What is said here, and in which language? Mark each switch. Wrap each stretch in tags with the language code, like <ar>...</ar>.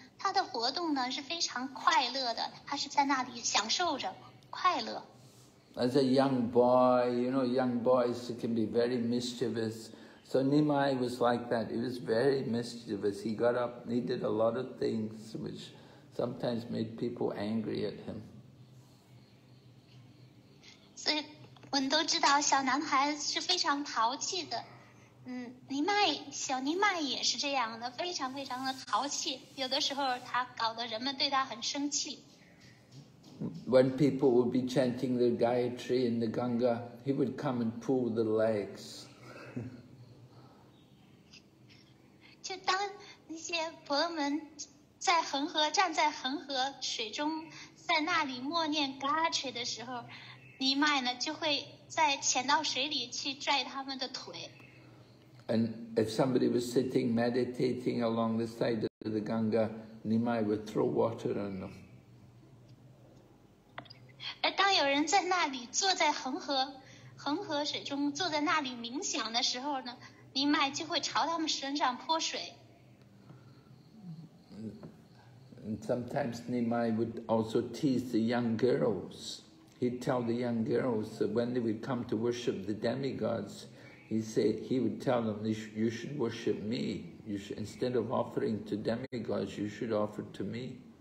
<zh>他的活动呢是非常快乐的，他是在那里享受着快乐。</zh> <en>As a young boy, you know, young boys can be very mischievous. So Nimai was like that. He was very mischievous. He got up, he did a lot of things which sometimes made people angry at him.</en> <zh>所以我们都知道，小男孩是非常淘气的。 Nimai, 小 Nimai 也是这样的，非常非常的淘气。有的时候他搞得人们对他很生气。</zh> <en>When people would be chanting the Gayatri in the Ganga, he would come and pull the legs.</en> <zh>就当那些婆罗门在恒河站在恒河水中，在那里默念 Gayatri 的时候 ，Nimai 呢就会在潜到水里去拽他们的腿。</zh> <en>And if somebody was sitting meditating along the side of the Ganga, Nimai would throw water on them.</en> <zh>而当有人在那里坐在恒河水中坐在那里冥想的时候呢 ，Nimai 就会朝他们身上泼水。</zh> <en>And sometimes Nimai would also tease the young girls. He'd tell the young girls that when they would come to worship the demigods. He would tell them, you should worship me. Instead of offering to demigods, you should offer to me.</en>